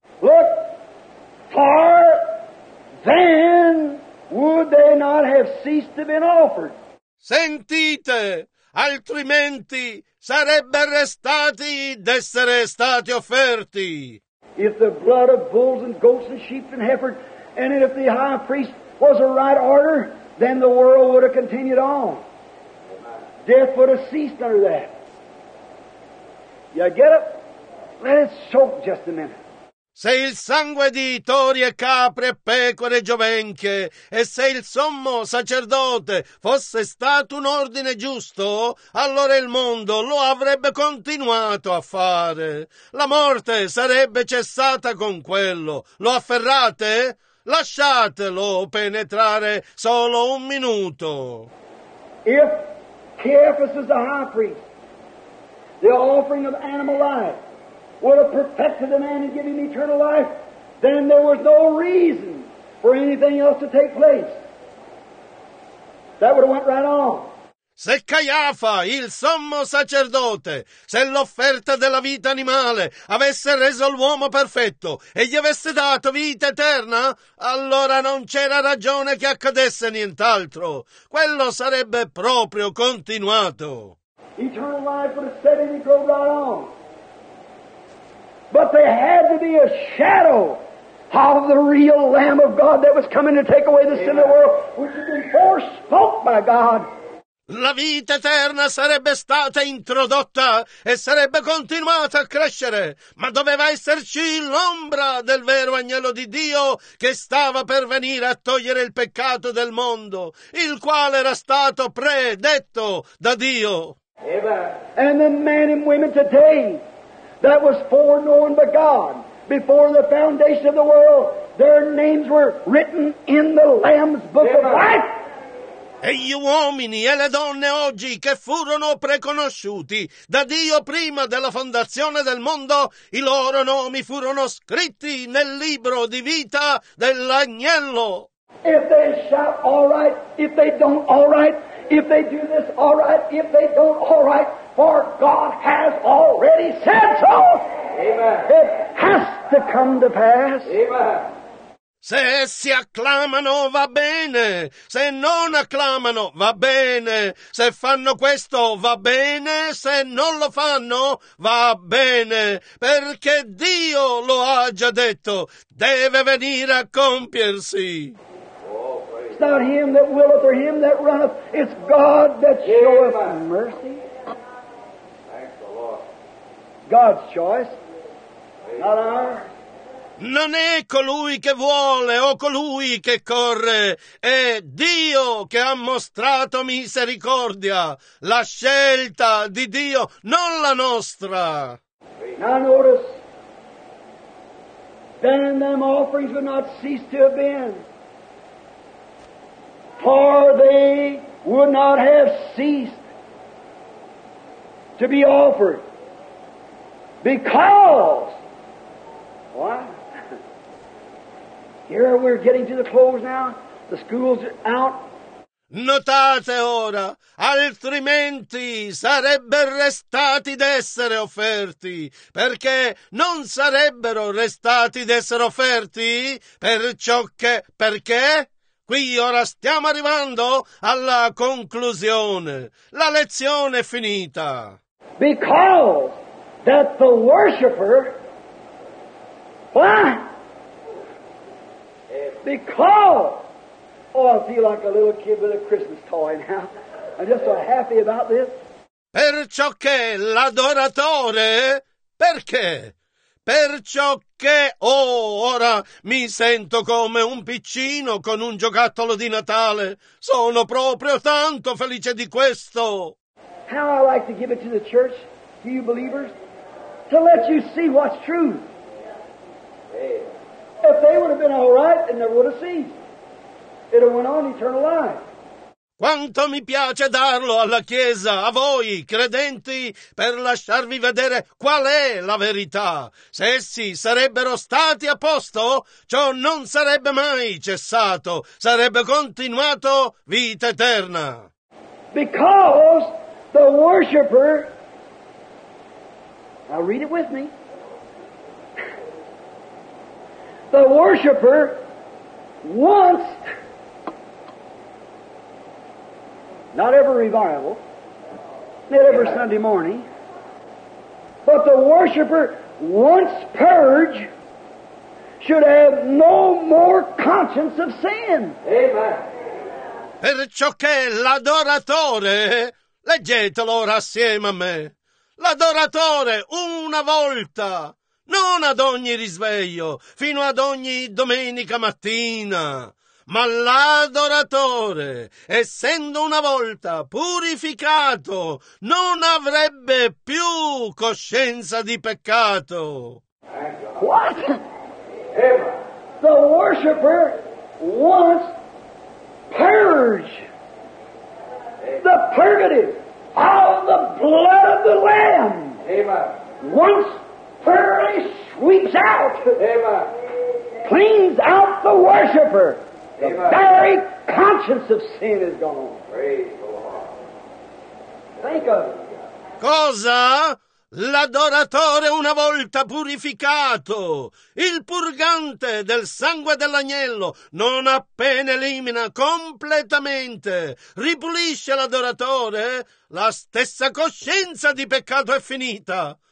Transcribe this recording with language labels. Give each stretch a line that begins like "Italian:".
English: Look, for then would they not have ceased to be offered?
Italian: Sentite, altrimenti sarebbe restati d'essere stati offerti.
English: If the blood of bulls and goats and sheep and heifers, and if the high priest was a right order, then the world would have continued on. Death would have ceased under that. You get it? Let it soak just a minute.
Italian: Se il sangue di tori e capre, pecore e giovenche, e se il sommo sacerdote fosse stato un ordine giusto, allora il mondo lo avrebbe continuato a fare. La morte sarebbe cessata con quello. Lo afferrate? Lasciatelo penetrare solo un minuto.
English: If Caiaphas is the high priest, the offering of animal life would have perfected the man and given him eternal life, then there was no reason for anything else to take place. That would have went right on.
Italian: Se Caiafa, il sommo sacerdote, se l'offerta della vita animale avesse reso l'uomo perfetto e gli avesse dato vita eterna, allora non c'era ragione che accadesse nient'altro. Quello sarebbe proprio continuato.
English: Eternal life would have said it would go right on. But there had to be a shadow of the real Lamb of God that was coming to take away the sin of the world, which had been forespoken by God.
Italian: La vita eterna sarebbe stata introdotta e sarebbe continuata a crescere, ma doveva esserci l'ombra del vero agnello di Dio che stava per venire a togliere il peccato del mondo, il quale era stato predetto da Dio.
English: Amen. And the men and women today that was foreknown by God before the foundation of the world, their names were written in the Lamb's book of life.
Italian: E gli uomini e le donne oggi che furono preconosciuti da Dio prima della fondazione del mondo, i loro nomi furono scritti nel libro di vita dell'agnello.
English: If they shout all right, if they don't all right, if they do this all right, if they don't all right, for God has already said so. Amen. It has to come to pass. Amen.
Italian: Se si acclamano va bene, se non acclamano va bene, se fanno questo va bene, se non lo fanno va bene, perché Dio lo ha già detto, deve venire a compiersi.
English: It's not him that willeth or him that runneth, it's God that showeth mercy. Thanks the Lord. God's choice, not ours.
Italian: Non è colui che vuole o colui che corre, è Dio che ha mostrato misericordia, la scelta di Dio, non la nostra.
English: Now notice, then them offerings would not cease to have been, for they would not have ceased to be offered, because, why? Here we're getting to the close now. The school's out.
Italian: Notate ora, altrimenti sarebbe restati d'essere offerti, perché non sarebbero restati d'essere offerti perciò che, perché? Qui ora stiamo arrivando alla conclusione. La lezione è finita.
English: Because that the worshipper, what? Because, oh, I feel like a little kid with a Christmas toy now. I'm just so happy about this.
Italian: Perciò che l'adoratore, perché? Perciò che, oh, ora mi sento come un piccino con un giocattolo di Natale. Sono proprio tanto felice di questo.
English: How I like to give it to the church, to you believers, to let you see what's true. If they would have been all right, it never would have ceased. It would have went on eternal life.
Italian: Quanto mi piace darlo alla Chiesa, a voi, credenti, per lasciarvi vedere qual è la verità. Se essi sarebbero stati a posto, ciò non sarebbe mai cessato, sarebbe continuato vita eterna.
English: Because the worshipper, now read it with me, the worshipper once, not every revival, not every Sunday morning, but the worshipper once purged should have no more conscience of sin. Amen.
Italian: Perciò che l'adoratore, leggetelo ora assieme a me, l'adoratore una volta, non ad ogni risveglio, fino ad ogni domenica mattina, ma l'adoratore, essendo una volta purificato, non avrebbe più coscienza di peccato.
English: What? The worshipper was purged. The purgative of the blood of the Lamb. Amen. Once thoroughly sweeps out. Amen. Cleans out the worshiper. Amen. The very conscience of sin is gone. Praise the Lord. Think of it.
Italian: Cosa? L'adoratore una volta purificato, il purgante del sangue dell'agnello, non appena elimina completamente, ripulisce l'adoratore, la stessa coscienza di peccato è finita.